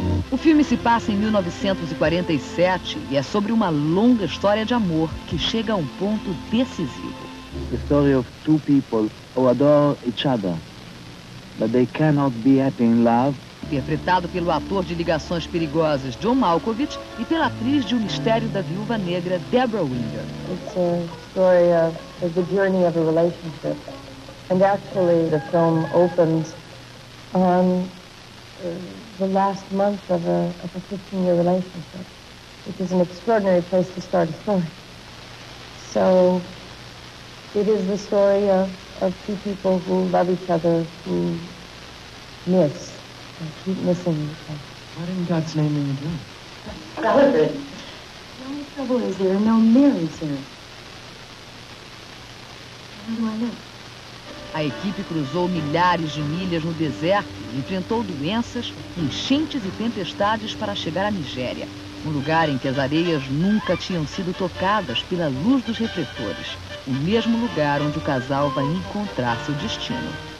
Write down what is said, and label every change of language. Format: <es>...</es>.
<pt>O filme se passa em 1947 e é sobre uma longa história de amor que chega a um ponto decisivo.</pt> <en>The story of two people who adore each other, but they cannot be happy in love.</en> <pt>Interpretado pelo ator de Ligações Perigosas, John Malkovich, e pela atriz de O Mistério da Viúva Negra, Deborah Winger.</pt> <en>It's a story of the journey of a relationship, and actually the film opens on the last month of a 15-year relationship, which is an extraordinary place to start a story. So it is the story of two people who love each other, who miss, and keep missing each other. What in God's name are you doing? Celebrate. The only trouble is there are no mirrors here. How do I look?</en> <pt>A equipe cruzou milhares de milhas no deserto, enfrentou doenças, enchentes e tempestades para chegar à Nigéria, um lugar em que as areias nunca tinham sido tocadas pela luz dos refletores, o mesmo lugar onde o casal vai encontrar seu destino.</pt>